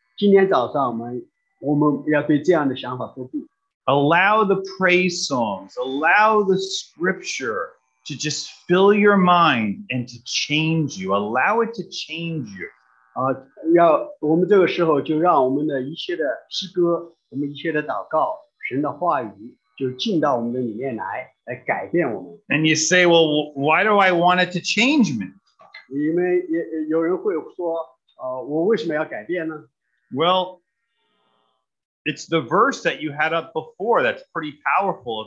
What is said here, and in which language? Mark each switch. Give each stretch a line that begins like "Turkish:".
Chinese: 今天早上我们要对这样的想法说不。
English: Allow the praise songs, allow the scripture to just fill your mind and to change you. Allow it to change you.
Chinese: 我们这个时候就让我们的一切的诗歌，我们一切的祷告，神的话语就进到我们的里面来，来改变我们。
English: And you say, well, why do I want it to change me?
Chinese: 你们有人会说，我为什么要改变呢？
English: Well, it's the verse that you had up before that's pretty powerful.